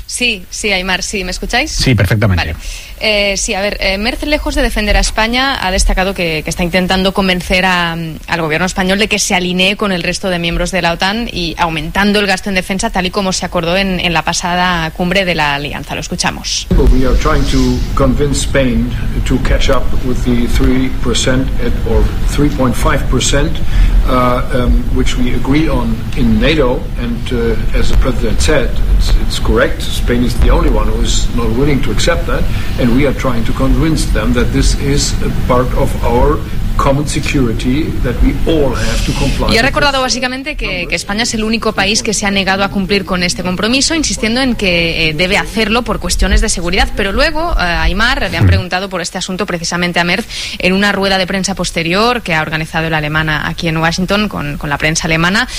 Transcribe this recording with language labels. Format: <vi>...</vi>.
<es>Sí, Aymar, sí, ¿me escucháis? Sí, perfectamente. Vale. Sí, a ver, Merz, lejos de defender a España, ha destacado que está intentando convencer al gobierno español de que se alinee con el resto de miembros de la OTAN y aumentando el gasto en defensa, tal y como se acordó en la pasada cumbre de la alianza. Lo escuchamos.</es> <en>We are trying to convince Spain to catch up with the 3% or 3.5% which we agree on in NATO, and as the president said, it's correct. Spain is the only one who is not willing to accept that, and we are trying to convince them that this is a part of our common security that we all have to comply.</en> <es>Y ha recordado básicamente que España es el único país que se ha negado a cumplir con este compromiso, insistiendo en que debe hacerlo por cuestiones de seguridad. Pero luego, Aymar, le han preguntado por este asunto precisamente a Merz en una rueda de prensa posterior que ha organizado la alemana aquí en Washington con la prensa alemana.</es>